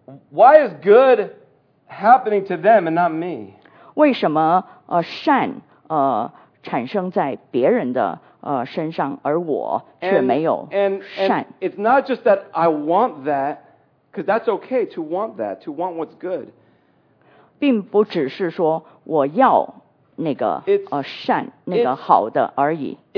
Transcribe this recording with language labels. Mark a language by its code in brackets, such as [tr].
[en] Why is good happening to them and not me? [zh] 为什么善产生在别人的身上，而我却没有善 [en] and it's not just that I want that, because that's okay to want that, to want what's good. [zh] 并不只是说我要那个善那个好的而已。